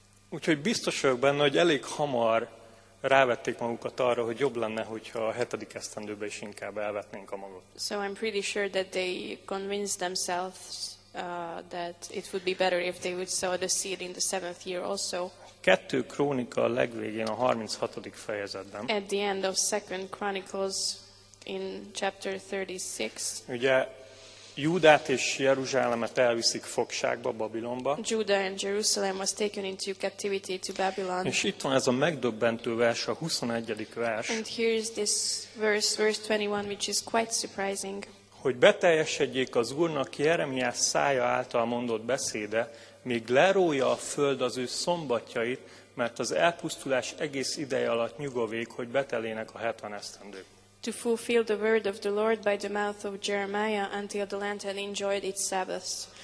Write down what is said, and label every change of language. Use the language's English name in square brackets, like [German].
[Hungarian] Úgyhogy biztos vagyok benne, hogy elég hamar rávették magukat arra, hogy jobb lenne, hogyha a 7. esztendőben is inkább elvetnénk a magot. [English] So I'm pretty sure that they convinced themselves that it would be better if they would sow the seed in the 7th year also. [Hungarian] 2. Krónika a legvégén a 36. fejezetben. [English] At the end of 2 Chronicles in chapter 36. [Hungarian] Ugye Júdát és Jeruzsálemet elviszik fogságba Babilonba. [English] Judah and Jerusalem was taken into captivity to Babylon. [Hungarian] És itt van ez a megdöbbentő vers, a 21. vers. [English] And here is this verse 21, which is quite surprising. [Hungarian] Hogy beteljesedjék az Úrnak Jeremiás szája által mondott beszéde, még lerója a föld az ő szombatjait, mert az elpusztulás egész ideje alatt nyugovék, hogy betelének a 70 esztendők. [English] To fulfill the word of the Lord by the mouth of Jeremiah until the land had enjoyed its Sabbaths.